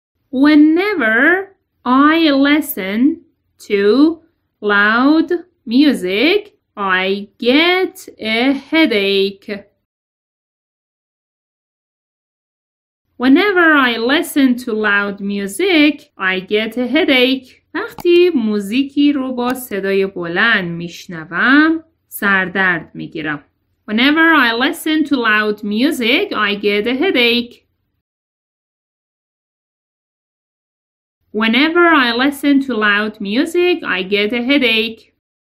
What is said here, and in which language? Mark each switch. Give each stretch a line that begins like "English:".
English: Whenever I listen to loud music, I get a headache. Whenever I listen to loud music, I get a headache.
Persian: وقتی موزیکی رو با صدای بلند میشنوم، سردرد میگیرم.
English: Whenever I listen to loud music, I get a headache. Whenever I listen to loud music, I get a headache.